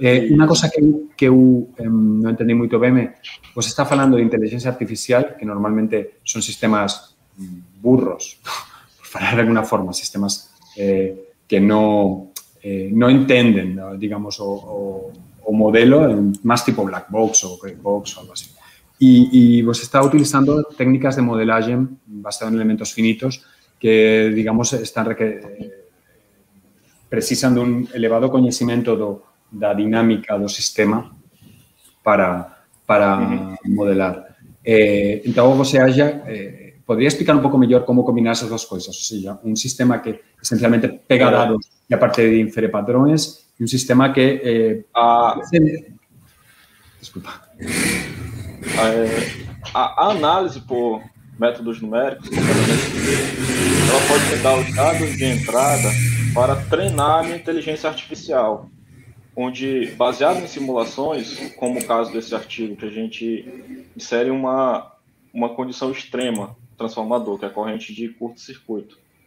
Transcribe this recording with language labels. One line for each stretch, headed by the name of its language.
Portuguese: Uma coisa que eu não entendi muito bem, você está falando de inteligência artificial, que normalmente são sistemas burros, por falar de alguma forma, sistemas que não entendem, digamos, o modelo, mais tipo black box ou gray box ou algo assim.
Spanish: Y vos está utilizando técnicas de modelaje basadas en elementos finitos que, digamos, están precisan de un elevado conocimiento de la dinámica del sistema para modelar. Entonces, vos haya, ¿podría explicar un poco mejor cómo combinar esas dos cosas? O sea, un sistema que esencialmente pega dados y aparte de infere patrones, y un sistema que... Disculpa.
Portuguese: A análise por métodos numéricos, ela pode pegar os dados de entrada para treinar a inteligência artificial, onde, baseado em simulações, como o caso desse artigo, que a gente insere uma condição extrema transformador, que é a corrente de curto-circuito.